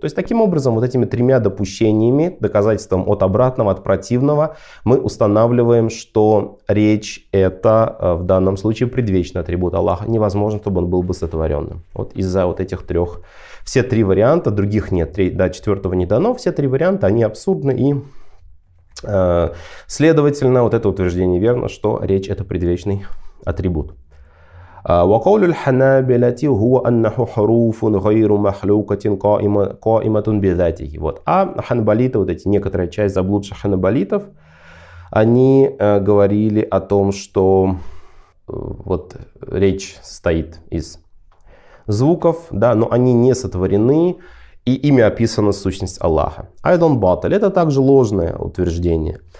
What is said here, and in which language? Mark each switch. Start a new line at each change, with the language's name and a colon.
Russian: То есть таким образом, вот этими тремя допущениями, доказательством от обратного, от противного, мы устанавливаем, что речь это в данном случае предвечный атрибут Аллаха. Невозможно, чтобы он был бы сотворенным. Вот из-за вот этих трех, все три варианта, других нет, четвертого не дано, все три варианта, они абсурдны и... Следовательно, вот это утверждение верно, что речь это предвечный атрибут.
Arabic: وقول الحنابلة هو أنه حروف غير محلوكة قائمة بذاته.
Russian: Вот. А ханбалиты, вот эти некоторая часть заблудших ханбалитов, они говорили о том, что вот речь состоит из звуков, да, но они не сотворены. И ими описана сущность Аллаха.
Arabic: Айдон батл.
Russian: Это также ложное утверждение.